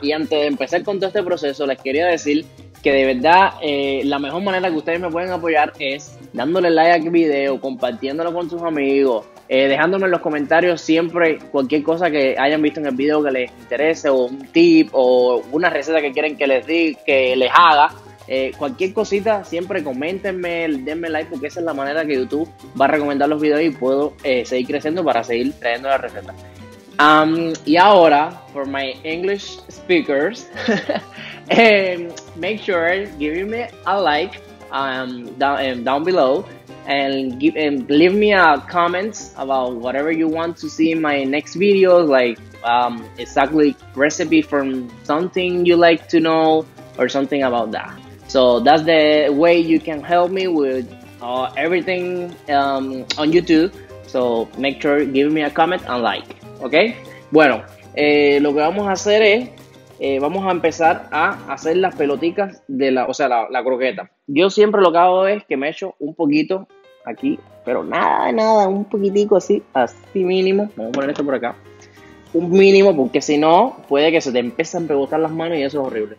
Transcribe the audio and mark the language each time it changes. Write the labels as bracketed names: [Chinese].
[Spanish] Y antes de empezar con todo este proceso, les quería decir que de verdad la mejor manera que ustedes me pueden apoyar es dándole like al video, compartiéndolo con sus amigos, dejándome en los comentarios siempre cualquier cosa que hayan visto en el video que les interese o un tip o una receta que quieren que les haga. Cualquier cosita, siempre coméntenme, denme like, porque esa es la manera que YouTube va a recomendar los videos y puedo seguir creciendo para seguir trayendo la receta. Y ahora, [English] for my English speakers, make sure give me a like down below and leave me a comment about whatever you want to see in my next videos, like exactly recipe from something you like to know or something about that. So that's the way you can help me with everything on YouTube. So make sure give me a comment and like. [Spanish] Ok, bueno, lo que vamos a hacer es, vamos a empezar a hacer las pelotitas de la, o sea, la croqueta. Yo siempre lo que hago es que me echo un poquito aquí, pero nada, un poquitico así mínimo. Vamos a poner esto por acá, un mínimo, porque si no, puede que se te empiecen a rebotar las manos y eso es horrible.